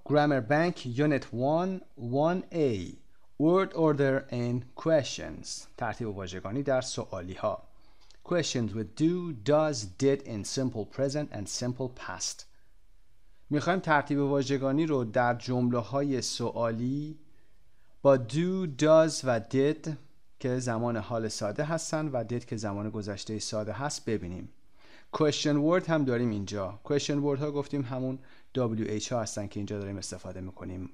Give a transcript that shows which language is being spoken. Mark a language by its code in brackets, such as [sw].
[en] Grammar Bank Unit 1 1A Word Order and Questions. [fa] ترتیب واژگانی در سوالی ها. [en] Questions with do, does, did in simple present and simple past. [fa] می خواهیم ترتیب واژگانی رو در جمله های سوالی با do, does و did که زمان حال ساده هستن و did که زمان گذشته ساده هست ببینیم. Question word هم داریم اینجا. Question word ها گفتیم همون WH ها هستن که اینجا داریم استفاده میکنیم.